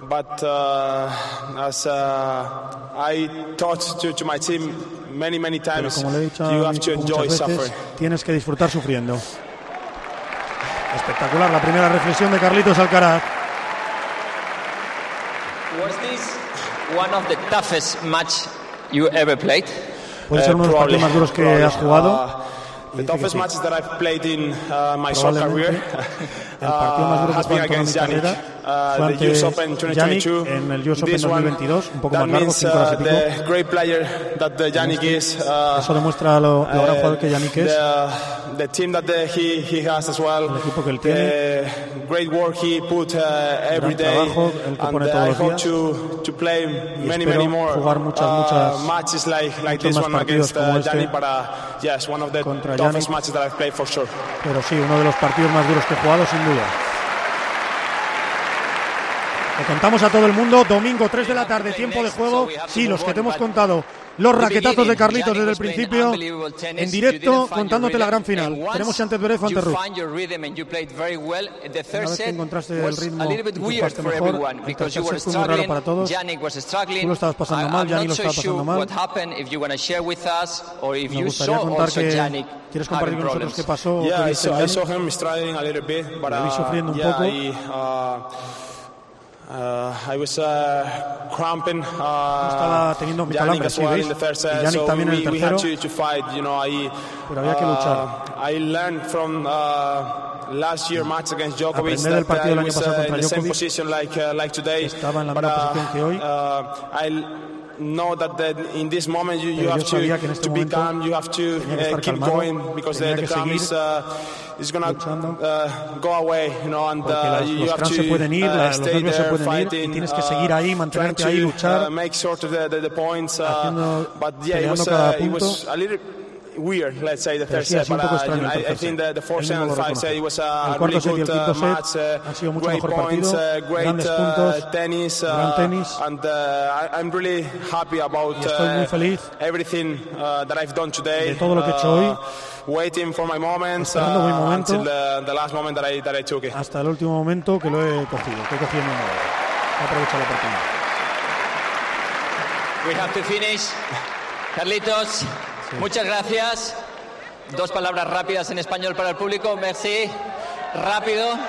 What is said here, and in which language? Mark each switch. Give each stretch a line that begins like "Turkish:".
English: But as I talked to my team many times, you have to enjoy suffering.
Spanish: Tienes que disfrutar sufriendo. Espectacular la primera reflexión de Carlitos Alcaraz.
English: Was this one of the toughest match you ever played?
Spanish: Puede ser uno de los partidos más duros que has jugado.
English: The toughest match that I've played in my soccer career has been against Yannick. The US Open 2022.
Spanish: En el US Open 2022, un poco más largo, 5 horas y pico.
English: The great player that Yannick is.
Spanish: Eso demuestra lo gran jugador que Yannick es.
English: The team that he has as well.
Spanish: El equipo que él tiene.
English: Great work he put every day. And I hope to play many more matches like this one against Yannick. But yes, one of the toughest matches that I've played for sure.
Spanish: Pero sí, uno de los partidos más duros que he jugado, sin duda. Le contamos a todo el mundo, domingo 3 de la tarde, tiempo de juego. Sí, los que te hemos contado, los raquetazos de Carlitos desde el principio, en directo, contándote la gran final. Tenemos Chantet Beref ante Ruth. Una vez que encontraste el ritmo y jugaste mejor, el tercer set fue muy raro para todos. Tú lo estabas pasando mal, Yannick lo estaba pasando mal. Me gustaría contar que quieres compartir con nosotros qué pasó. Sí, sufriendo un poco.
English: I was cramping.
Spanish: Estaba teniendo mi calambre, sí, ¿veis? Y Yannick también en el tercero. Pero había que luchar.
English: I learned from last year match against Djokovic.
Spanish: Aprendí del partido del año pasado contra Djokovic.
English: Like today.
Spanish: Estaba en la misma posición que hoy.
English: Know that in this moment you have to be calm, you have to keep going because the calm is going to go away, you know, and you have to stay there fighting,
Spanish: tienes que seguir ahí, mantenerte ahí, luchar,
English: make sure to the points, but yeah, it was a little weird, let's say, the third set, but I think that the fourth set and fifth set, it was a really good match, great points, great tennis, and I'm really happy about everything that I've done today. Waiting for my moment,
Spanish: esperando mi momento,
English: until the last moment that I took it.
Spanish: Hasta el último momento que lo he cogido, que he cogido mi momento. Aprovecho la oportunidad.
English: We have to finish. Carlitos,
Spanish: sí. Muchas gracias. Dos palabras rápidas en español para el público.
French: Merci.
Spanish: Rápido.